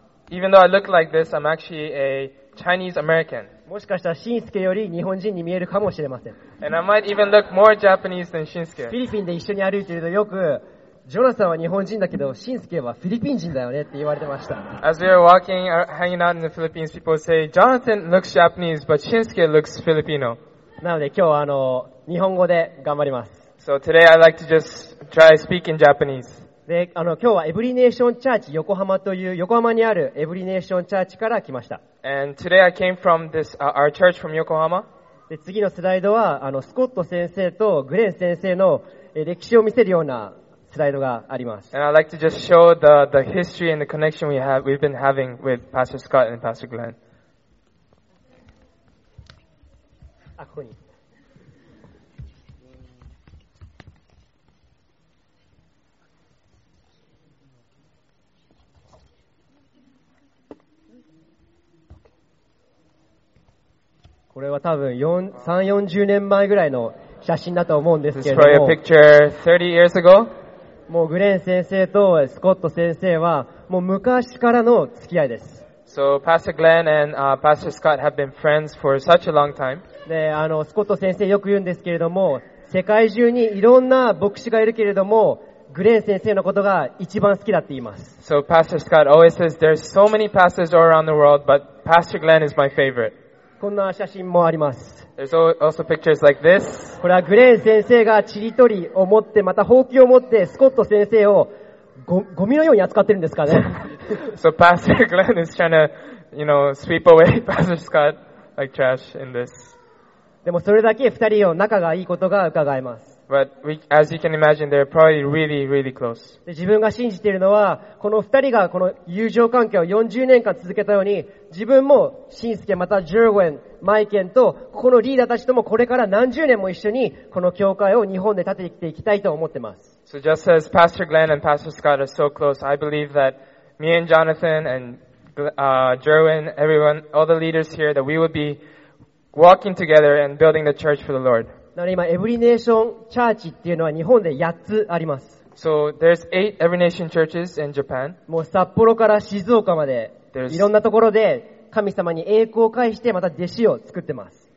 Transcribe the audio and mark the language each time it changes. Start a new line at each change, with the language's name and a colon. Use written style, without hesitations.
English: Even though I look like this, I'm actually a Chinese American.
Japanese: もしかしたらシンスケより日本人に見えるかもしれません。
English: And I might even look more Japanese than Shinsuke.
Japanese: フィリピンで一緒に歩いているとよくジョナサンは日本人だけどシンスケはフィリピン人だよねって言われてました。
English: As we were walking, hanging out in the Philippines, people would say, Jonathan looks Japanese, but Shinsuke looks Filipino.
Japanese: なので今日は日本語で頑張ります。
English: So today I'd like to just try speaking Japanese.
Japanese: で今日はエブリネーションチャーチ横浜という横浜にあるエブリネーションチャーチから来ました。
English: And today I came from this, our church from Yokohama.
Japanese: で次のスライドはスコット先生とグレン先生の歴史を見せるようなスライドがあります。
English: And I'd like to just show the history and the connection we've been having with Pastor Scott and Pastor Glenn.
Japanese: あ、ここに。これは多分30-40年前ぐらいの写真だと思うんですけれども。
English: This is probably a picture 30 years ago.
Japanese: もうグレン先生とスコット先生はもう昔からの付き合いです。
English: So Pastor Glenn and Pastor Scott have been friends for such a long time.
Japanese: で、スコット先生よく言うんですけれども、世界中にいろんな牧師がいるけれども、グレン先生のことが一番好きだって言います。
English: So Pastor Scott always says there's so many pastors all around the world, but Pastor Glenn is my favorite.
Japanese: こんな写真もあります。
English: There's also pictures like this.
Japanese: これはグレン先生がチリトリを持って、またほうきを持って、スコット先生をゴミのように扱ってるんですかね。
English: So Pastor Glenn is trying to, you know, sweep away Pastor Scott like trash in this.
Japanese: でもそれだけ二人の仲がいいことが伺えます。
English: But as you can imagine, they're probably really, really close.
Japanese: で自分が信じているのは、この二人がこの友情関係を40年間続けたように、自分もシンスケまたジェルウェンマイケンとここのリーダーたちともこれから何十年も一緒にこの教会を日本で建てていきたいと思ってます。
English: So just as Pastor Glenn and Pastor Scott are so close, I believe that me and Jonathan and Jerwin, everyone, all the leaders here, that we would be walking together and building the church for the Lord.
Japanese: なので今エブリネーションチャーチっていうのは日本で8つあります。
English: So there's 8 Every Nation churches in Japan.
Japanese: もう札幌から静岡まで。いろんなところで神様に栄光を返してまた弟子を作ってます。